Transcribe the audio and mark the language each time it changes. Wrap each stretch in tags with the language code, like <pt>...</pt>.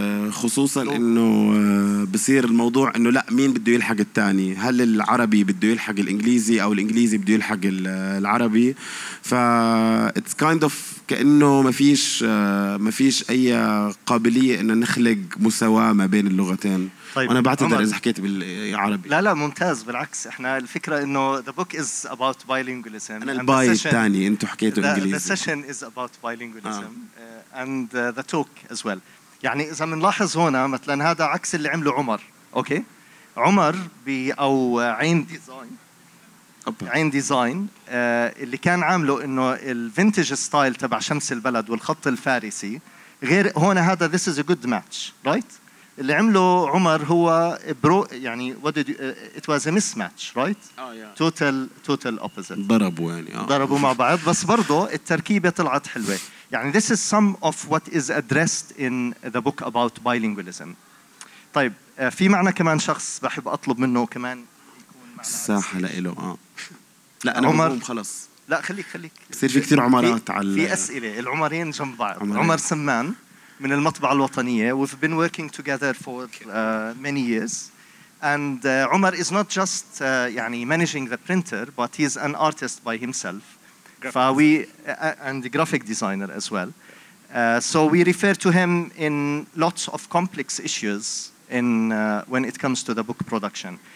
<ar>خصوصا انه بصير الموضوع انه لا، مين بده يلحق الثاني؟ هل العربي بده يلحق الانجليزي او الانجليزي بده يلحق العربي؟ ف</ar> <en>it's kind of</en> <ar>كانه ما فيش اي قابليه انه نخلق مساواه ما بين اللغتين. طيب انا بعتذر اذا حكيت بالعربي. لا ممتاز، بالعكس احنا الفكره انه</ar> <en>the book is about</en> <ar>bilingualism. انا الباي الثاني، انتم حكيتوا انجليزي.</ar> <en>The session is about bilingualism and the talk as well.</en> <ar>يعني إذا منلاحظ هنا مثلاً هذا عكس اللي عمله عمر، أوكي؟ عمر أو عين ديزاين، عين ديزاين اللي كان عامله إنه الفينتج ستايل تبع شمس البلد والخط الفارسي غير هنا، هذا</ar> <en>this is a good match, right؟</en> <ar>اللي عمله عمر هو برو، يعني</ar> <en>what did you, it was a mismatch, right? total opposite.</en> <ar>ضربوا يعني. ضربوا مع بعض، بس برضو التركيبة طلعت حلوة.</ar> <en>يعني this is some of what is addressed in the book about bilingualism.</en> <ar>طيب في معنى كمان شخص بحب أطلب منه كمان يكون معنا. الساحة لإله. لا أنا عمر خلص. لا خليك. بصير في كثير عمرات في أسئلة. العمرين جنب بعض. عمر سمان من المطبعة الوطنية.</ar> <en>We've been working together for many years. And عمر is not just يعني managing the printer, but he's an artist by himself. And the graphic designer as well. So we refer to him in lots of complex issues when it comes to the book production.</en>